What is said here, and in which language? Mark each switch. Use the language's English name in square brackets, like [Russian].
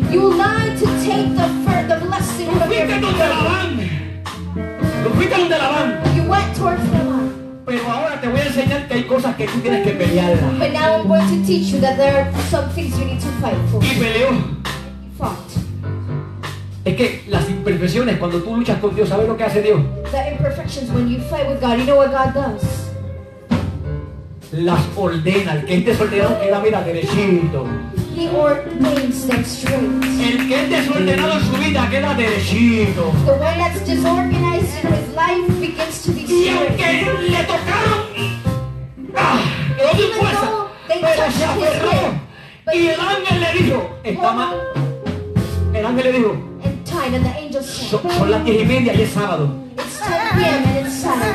[English] You lied to take the blessing from your brother. [Spanish] Fuiste donde Labán. [English] You went towards Labán. [Spanish] Pero ahora te voy a enseñar que hay cosas que tú tienes que pelear. [English] But now I'm going to teach you that there are some things you need to fight for. [Spanish] Y peleó. [English] You fought. [Spanish] Es que las imperfecciones cuando tú luchas con Dios, ¿sabes lo que hace Dios? [English] The imperfections when you fight with God, you know what God does? [Spanish] Las ordena. El que es desordenado queda, mira, derechito. [English] He ordains them straight. [Spanish] El que es desordenado en su vida queda derechito. [English] The one that's disorganized in his life begins to be straight. [Spanish] Y aunque le tocaron, que no tiene fuerza, pero se aferró. Y el ángel le dijo, está mal. El ángel le dijo, [English] and the angel said, [Spanish] son las 10 y media y es sábado. [English] It's 10 p.m. and it's Saturday.